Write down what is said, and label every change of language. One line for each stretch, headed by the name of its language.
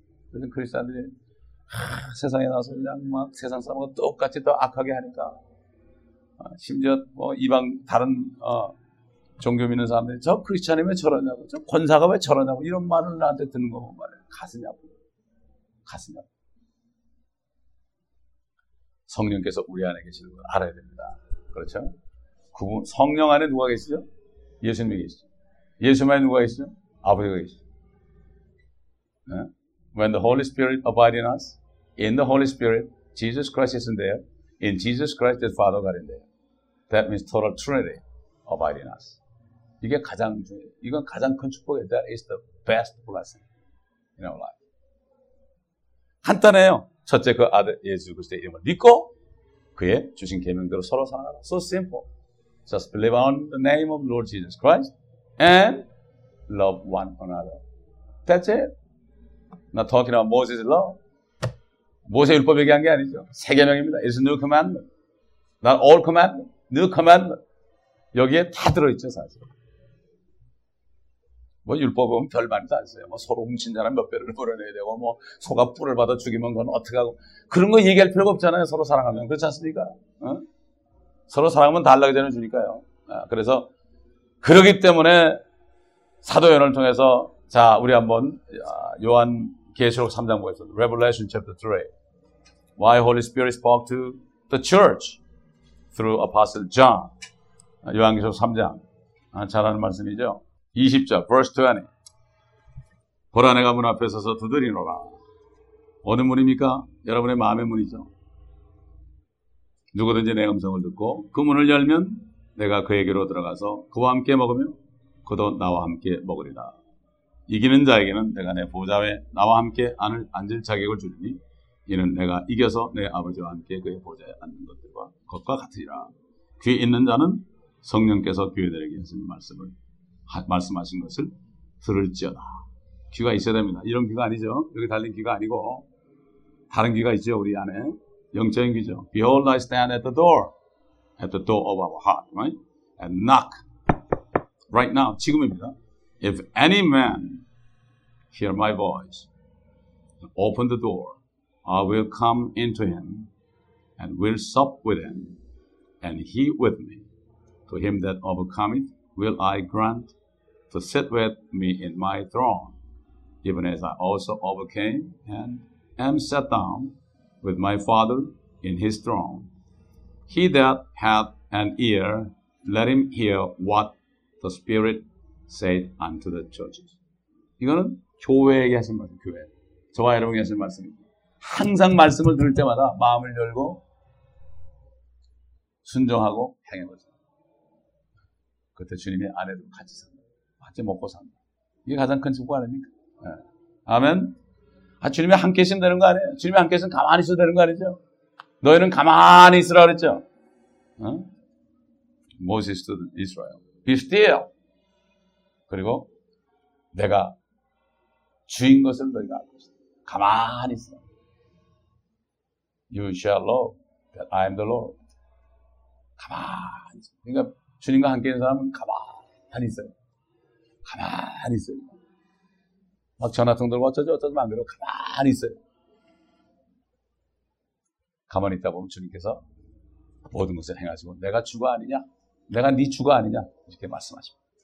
Korean: 그래서 크리스천들이 세상에 나와서 그냥 막 세상 사람과 똑같이 또 악하게 하니까 심지어 뭐 이방 다른 종교 믿는 사람들이 저 크리스천이 왜 저러냐고 저 권사가 왜 저러냐고 이런 말을 나한테 듣는 거 보면 말이야 가슴이 아프고 가슴이 아프고 성령께서 우리 안에 계시는 걸 알아야 됩니다. 그렇죠? 그분 성령 안에 누가 계시죠? 예수님이 계시죠. 예수님 안에 누가 계시죠? 아버지가 계시죠. 네?
English: When the Holy Spirit abides in us, in the Holy Spirit, Jesus Christ is in there. In Jesus Christ, the Father God in there. That means total Trinity abides in us.
Korean: 이게 가장 중요해요. 이건 가장 큰 축복이에요.
English: That is the best blessing in our life.
Korean: 간단해요. 첫째 그 아들 예수 그리스도의 이름을 믿고 그의 주신 계명대로 서로 사랑하라.
English: So simple. Just believe on the name of Lord Jesus Christ and love one another. That's it. Not talking about Moses' law.
Korean: 모세 율법 얘기한 게 아니죠. 새 계명입니다.
English: It's a new commandment. Not old commandment. New commandment.
Korean: 여기에 다 들어있죠 사실. 뭐 율법 보면 별말도 안 써요. 뭐 서로 훔친 자는 몇 배를 물어내야 되고 뭐 소가 뿔을 받아 죽이면 그건 어떻게 하고 그런 거 얘기할 필요가 없잖아요. 서로 사랑하면. 그렇지 않습니까? 어? 서로 사랑하면 달라고 전해 주니까요. 그래서 그러기 때문에 사도연을 통해서 자 우리 한번 요한 계시록 3장 보겠습니다.
English: Revelation chapter 3. Why Holy Spirit spoke to the church through Apostle John.
Korean: 요한 계시록 3장. 잘 아는 말씀이죠. 20절,
English: verse 20.
Korean: 보라 내가 문 앞에 서서 두드리노라. 어느 문입니까? 여러분의 마음의 문이죠. 누구든지 내 음성을 듣고 그 문을 열면 내가 그에게로 들어가서 그와 함께 먹으며 그도 나와 함께 먹으리라. 이기는 자에게는 내가 내 보좌에 나와 함께 앉을 자격을 주리니 이는 내가 이겨서 내 아버지와 함께 그의 보좌에 앉는 것들과 것과 같으리라. 귀 있는 자는 성령께서 교회들에게 하신 말씀을 말씀하신 것을 들을지어다. 귀가 있어야 됩니다. 이런 귀가 아니죠. 여기 달린 귀가 아니고 다른 귀가 있죠. 우리 안에 영적인 귀죠.
English: Behold, I stand at the door of our heart, right? And knock right now,
Korean: 지금입니다.
English: If any man hear my voice, open the door, I will come into him and will sup with him, and he with me. To him that overcometh, will I grant to sit with me in my throne, even as I also overcame and am set down with my Father in his throne. He that hath an ear, let him hear what the Spirit said unto the churches.
Korean: 이거는 교회에게 하신 말씀, 교회. 저와 여러분이 하신 말씀입니다. 항상 말씀을 들을 때마다 마음을 열고 순종하고 행해보세요. 그때 주님이 아내도 같이 산다. 같이 먹고 산다. 이게 가장 큰 축복 아닙니까? 네. 아멘. 아, 주님이 함께 계시면 되는 거 아니에요? 주님이 함께 계시면 가만히 있어도 되는 거 아니죠? 너희는 가만히 있으라 그랬죠?
English: 모세스 to Israel. Be still.
Korean: 그리고 내가 주인 것을 너희가 알고 있어. 가만히 있어.
English: You shall know that I am the Lord.
Korean: 가만히 있어. 그러니까 주님과 함께 있는 사람은 가만히 있어요. 가만히 있어요. 막 전화통들 어쩌지 어쩌지 안 그래도 가만히 있어요. 가만히 있다 보면 주님께서 모든 것을 행하시고 내가 주가 아니냐? 내가 네 주가 아니냐? 이렇게 말씀하십니다.